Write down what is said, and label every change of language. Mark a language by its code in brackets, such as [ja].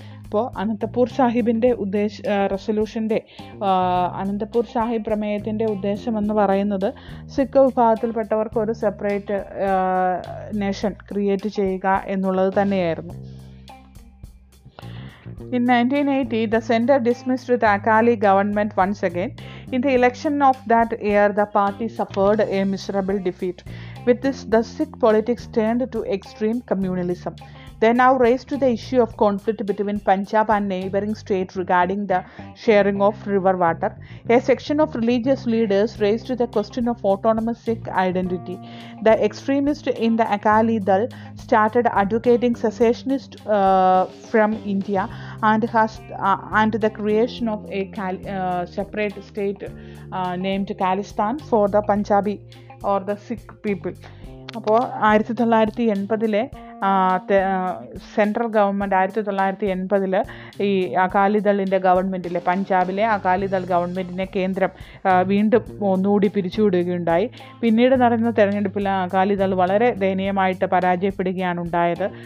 [ml] അപ്പോൾ അനന്തപൂർ സാഹിബിൻ്റെ റെസൊല്യൂഷൻ്റെ അനന്തപൂർ സാഹിബ് പ്രമേയത്തിൻ്റെ ഉദ്ദേശമെന്ന് പറയുന്നത് സിഖ് വിഭാഗത്തിൽപ്പെട്ടവർക്ക് ഒരു സെപ്പറേറ്റ് നേഷൻ ക്രിയേറ്റ് ചെയ്യുക എന്നുള്ളത് തന്നെയായിരുന്നു. [en] In 1980 the centre dismissed the Akali government once again. In the election of that year the party suffered a miserable defeat. With this the Sikh politics turned to extreme communalism. They now raised to the issue of conflict between Punjab and neighboring state regarding the sharing of river water. A section of religious leaders raised to the question of autonomous Sikh identity. The extremists in the Akali Dal started advocating secessionist from India and the creation of a separate state named Khalistan for the Punjabi or the Sikh people. [ml] അപ്പോൾ 1980 central government 1980 ഈ അകാലിദളിൻ്റെ ഗവൺമെൻറ്റിലെ പഞ്ചാബിലെ അകാലിദൾ ഗവൺമെൻറ്റിൻ്റെ കേന്ദ്രം വീണ്ടും ഒന്നുകൂടി പിരിച്ചുവിടുകയുണ്ടായി. പിന്നീട് നടന്ന തെരഞ്ഞെടുപ്പിൽ അകാലിദൾ വളരെ ദയനീയമായിട്ട് പരാജയപ്പെടുകയാണ് ഉണ്ടായത്.